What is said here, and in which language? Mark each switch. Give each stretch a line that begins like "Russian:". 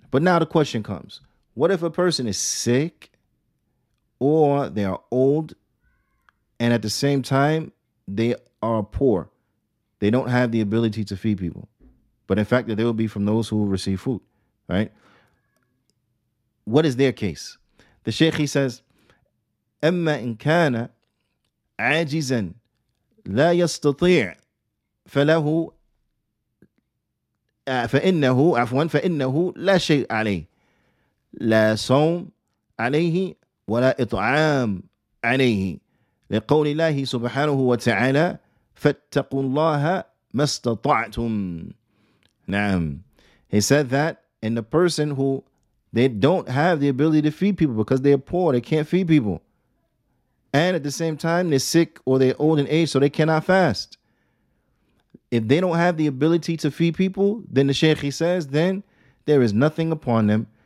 English: But now the question comes, what if a person is sick, or they are old, and at the same time, they are poor? They don't have the ability to feed people, but in fact, that they will be from those who will receive food, right? What is their case? The Sheikh, he says,
Arabic: أَمَّا إِنْ كَانَ عَاجِزًا لَا يَسْتَطِيعُ فَلَهُ فَإِنَّهُ عَفْوًا فَإِنَّهُ لَا شَيْءَ عَلَيْهِ لَا صَوْمَ عَلَيْهِ وَلَا إِطْعَامَ عَلَيْهِ لِقَوْلِ اللَّهِ سُبْحَانَهُ وَتَعَالَى فَاتَّقُوا اللَّهَ مَا اسْتَطَعْتُمْ. نعم.
English: He said that in the person who they don't have the ability to feed people because they're poor. They can't feed people. And at the same time, they're sick or they're old in age, so they cannot fast. If they don't have the ability to feed people, then the Sheikh, he says, then there is nothing upon them.